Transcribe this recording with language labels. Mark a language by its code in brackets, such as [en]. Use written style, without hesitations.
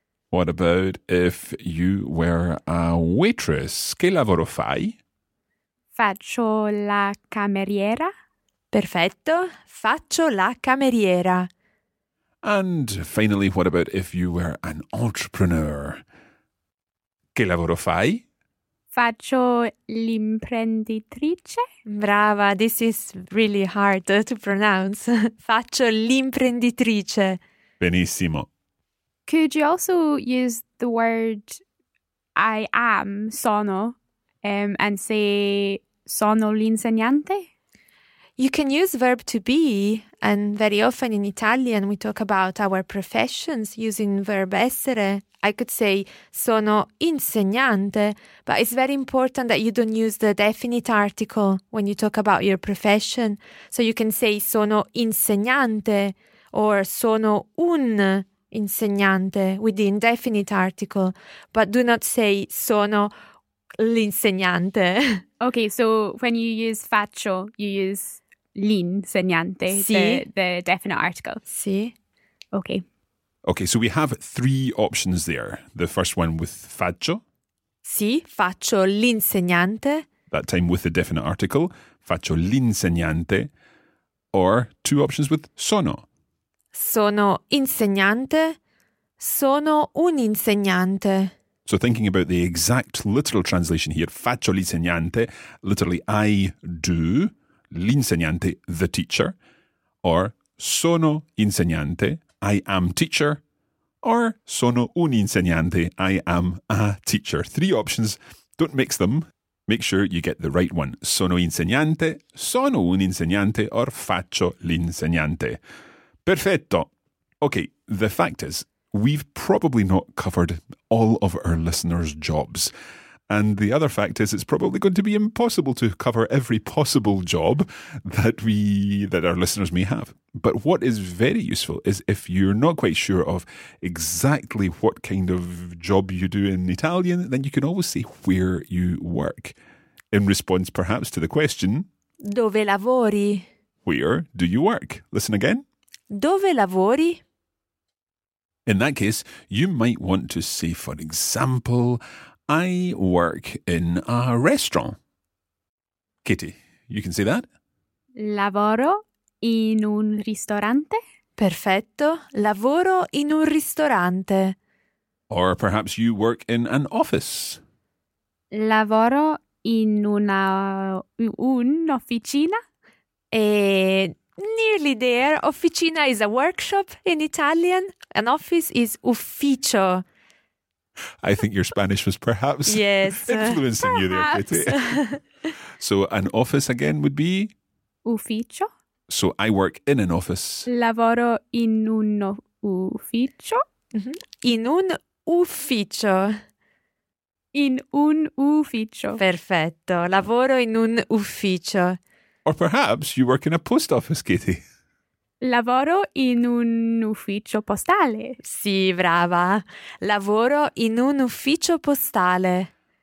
[en] What about if you were a waitress? [it] Che lavoro fai? Faccio la cameriera. Perfetto. Faccio la cameriera. [en] And finally, what about if you were an entrepreneur? [it] Che lavoro fai? Faccio l'imprenditrice. [en] Brava, this is really hard to pronounce. [it] Faccio l'imprenditrice. Benissimo. [en] Could you also use the word I am, sono, and say [it] sono l'insegnante? [en] You can use verb to be, and very often in Italian we talk about our professions using verb essere. I could say [it] sono insegnante, [en] but it's very important that you don't use the definite article when you talk about your profession. So you can say [it] sono insegnante [en] or [it] sono un insegnante [en] with the indefinite article, but do not say [it] sono l'insegnante. [en] Okay, so when you use faccio, you use l'insegnante, [it] sì. [en] the definite article. [it] Sì. [en] Okay. Okay, so we have three options there. The first one with faccio. [it] Sì, faccio l'insegnante. [en] That time with the definite article, [it] faccio l'insegnante. [en] Or two options with sono. [it] Sono insegnante, sono un insegnante. [en] So thinking about the exact literal translation here, [it] faccio l'insegnante, [en] literally I do, l'insegnante, the teacher, or [it] sono insegnante, [en] I am teacher, or [it] sono un insegnante, [en] I am a teacher. Three options, don't mix them, make sure you get the right one. [it] Sono insegnante, sono un insegnante, or faccio l'insegnante. Perfetto. [en] Okay, the fact is, we've probably not covered all of our listeners' jobs. And the other fact is, it's probably going to be impossible to cover every possible job that our listeners may have. But what is very useful is if you're not quite sure of exactly what kind of job you do in Italian, then you can always say where you work. In response, perhaps, to the question, [it] dove lavori? [en] Where do you work? Listen again. [it] Dove lavori? [en] In that case, you might want to say, for example, I work in a restaurant. Katie, you can say that? [it] Lavoro in un ristorante. Perfetto. Lavoro in un ristorante. [en] Or perhaps you work in an office. [it] Lavoro in un'officina. [en] Nearly there. Officina is a workshop in Italian. An office is ufficio. I think your Spanish was perhaps influencing perhaps. You there, Katie. So an office again would be? [it] Ufficio. [en] So I work in an office. [it] Lavoro in un ufficio. Mm-hmm. In un ufficio. In un ufficio. Perfetto. Lavoro in un ufficio. [en] Or perhaps you work in a post office, Katie. [it] Lavoro in un ufficio postale. Sì, brava. Lavoro in un ufficio postale.